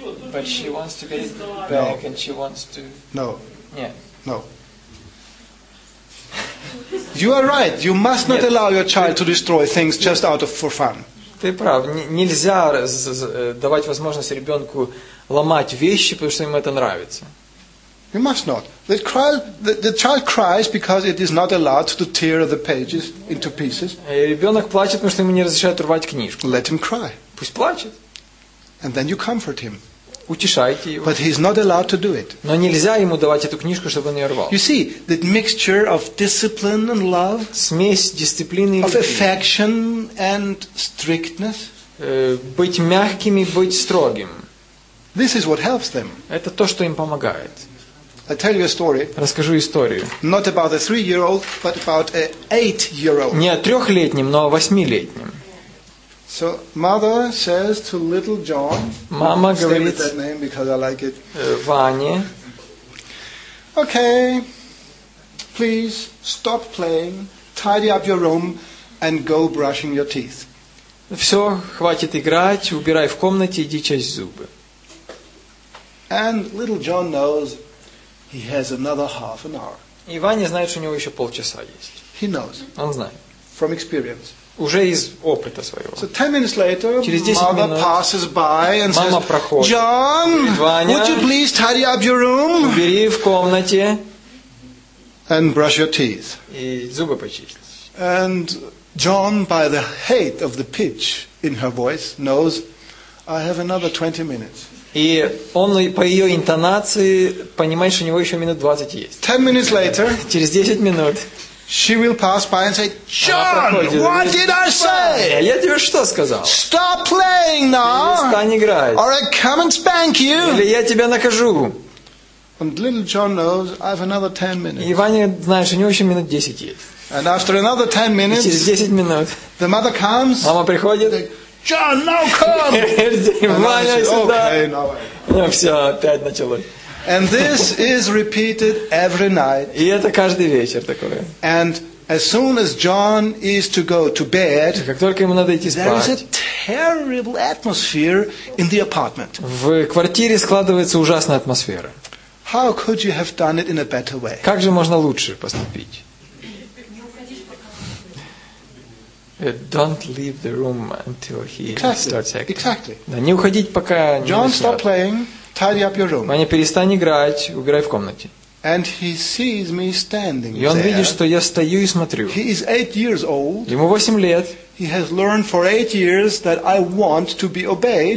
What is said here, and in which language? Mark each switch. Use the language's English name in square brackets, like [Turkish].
[English] But she wants to get it back, and she wants to... No. Yeah. No. You are right. You must not allow your child to destroy things just out of for fun. [Russian] Ты прав. Нельзя давать возможность ребенку ломать вещи, потому что ему это нравится. [English] You must not. The child cries because it is not allowed to tear the pages into pieces. [Russian] Ребенок плачет, потому что ему не разрешают рвать книжку. [English] Let him cry. [Russian] Пусть плачет. [English] And then you comfort him. [Russian] Утешайте его. [English] But he is not allowed to do it. [Russian] Но нельзя ему давать эту книжку, чтобы он ее рвал. [English] You see, the mixture of discipline and love. [Russian] Смесь дисциплины и любви. [English] Of affection and strictness. [Russian] Быть мягким и быть строгим. [English] This is what helps them. [Russian] Это то, что им помогает. [English] I tell you a story. [Russian] Расскажу историю. [English] Not about a 3-year-old, but about a 8-year-old. [Russian] Не о трехлетнем, но о восьмилетнем. [English] So mother says to little John. [Russian] Мама говорит. [English] Stay with that name because I like it. [Russian] Ване. [English] Okay. Please stop playing. Tidy up your room and go brushing your teeth. [Russian] Все, хватит играть. Убирай в комнате, иди чисть зубы. [English] And little John knows. He has another half an hour. [Russian] И Ваня знает, что у него еще полчаса есть. [English] He knows. [Russian] Он знает. [English] From experience. [Russian] Уже из опыта своего. [English] So 10 minutes later, [Russian] через 10 [English] mother [Russian] минут, [English] passes by and [Russian] мама [English] says, [Russian] проходит. [English] John, [Russian] Ваня, [English] would you please tidy up your room? [Russian] Убери в комнате. [English] And brush your teeth. [Russian] И зубы почисти. [English] And John, by the height of the pitch in her voice, knows, I have another 20 minutes. [Russian] И он по ее интонации понимает, что у него еще минут 20 есть. [English] 10 minutes later. [Russian] Через 10 минут. [English] She will pass by and say, John, what did I say? [Russian] Я тебе что сказал? [English] Stop playing now. [Russian] Перестань играть. [English] Or I come and spank you. [Russian] Или я тебя накажу. [English] And little John knows I have another 10 minutes. [Russian] И Ваня знает, что у него еще минут 10 есть. [English] And after another 10 minutes, [Russian] через 10 минут, [English] the mother comes. [Russian] Мама приходит. [English] John, now come. [Russian] Ваня сюда. [English] Okay, now I... [Russian] Ну все, опять началось. [English] And this is repeated every night. [Russian] И это каждый вечер такое. [English] And as soon as John is to go to bed, [Russian] как только ему надо идти спать, [English] there is a terrible atmosphere in the apartment. [Russian] В квартире складывается ужасная атмосфера. [English] How could you have done it in a better way? [Russian] Как же можно лучше поступить? [English] Don't leave the room until he starts acting. Exactly. [Russian] Да, не уходить, пока не начнет. [English] John, stop playing. Tidy up your room. [Russian] Ваня, перестань играть, убирай в комнате. [English] And he sees me standing there. [Russian] И он видит, что я стою и смотрю. [English] He is 8 years old. [Russian] Ему 8 лет. [English] He has learned for 8 years that I want to be obeyed.